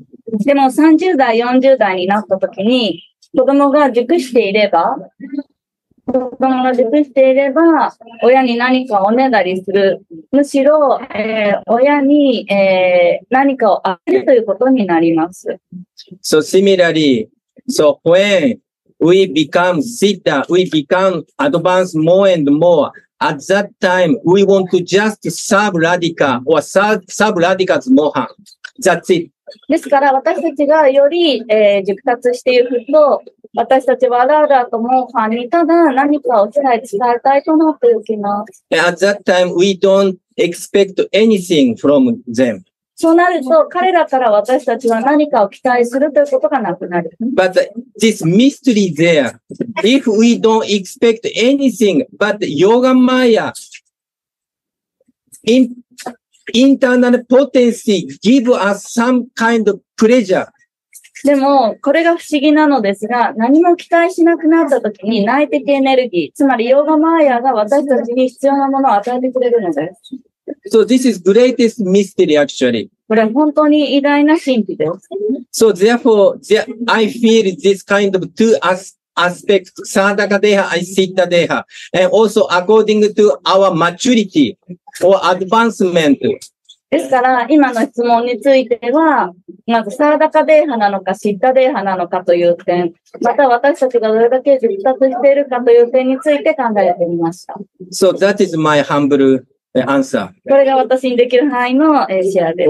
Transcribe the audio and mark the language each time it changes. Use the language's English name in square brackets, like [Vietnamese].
[Japanese] でも30代、40代になったときに、子供が熟していれば、子供が熟していれば、親に何かをおねだりする。むしろ、親に、何かをあげるということになります。 [English] So similarly, so when we become Siddha, we become advanced more and more, at that time, we want to just serve Radhika or serve Radhika's Mohan. That's it. [Japanese] ですから、私たちがより、熟達していくと、私たちはラーダーとモーハンにただ何かを伝えたいと思っておきます。 [English] At that time, we don't expect anything from them. [Japanese] そうなると、彼らから私たちは何かを期待するということがなくなる。 [English] But this mystery there, if we don't expect anything, but Yoga Maya, internal potency give us some kind of pleasure. [Japanese] でも、これが不思議なのですが、何も期待しなくなったときに内的エネルギー、つまりヨーガマーヤが私たちに必要なものを与えてくれるのです。 [English] So this is greatest mystery actually. [Japanese] これ本当に偉大な神秘です。 [English] So therefore, I feel this kind of two aspects, Sadaka Deha and Siddha Deha. And also according to our maturity or advancement. [Japanese] ですから今の質問についてはまずサーダカデーハなのかシッダデーハなのかという点また私たちがどれだけ熟達しているかという点について考えてみました。 [English] So that is my humble answer. [Japanese] これが私にできる範囲のシェアです。